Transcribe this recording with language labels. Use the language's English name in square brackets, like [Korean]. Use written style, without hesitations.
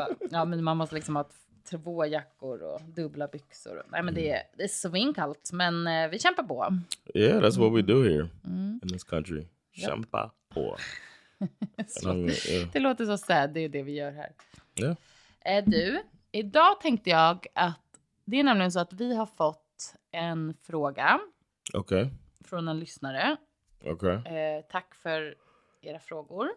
[Swedish] Ja, men man måste liksom ha två jackor och dubbla byxor. Nej, men det är svinkallt, men vi kämpar på. [English] Yeah, that's what we do here in this country. [Swedish] Yep. Kämpa på. Det låter så sad, det är det vi gör här. [English] Yeah. [Swedish] Du, idag tänkte jag att det är nämligen så att vi har fått en fråga. [English] Okay. [Swedish] Från en lyssnare. [English] Okay. [Swedish] Tack för era frågor.